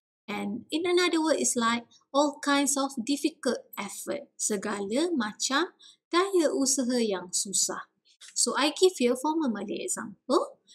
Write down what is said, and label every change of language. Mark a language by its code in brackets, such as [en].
[en] And in another word, it's like all kinds of difficult effort. [ms] Segala macam daya usaha yang susah. [en] So I give you a formal Malay example.